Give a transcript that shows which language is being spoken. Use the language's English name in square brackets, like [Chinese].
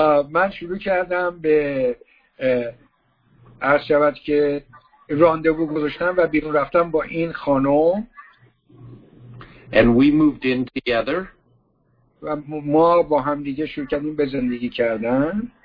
[Persian] من شروع کردم به عرض شود که راندوو گذاشتم و بیرون رفتم با این خانم. [English] And we moved in together. [Persian] و ما با هم دیگه شروع کردیم به زندگی کردن.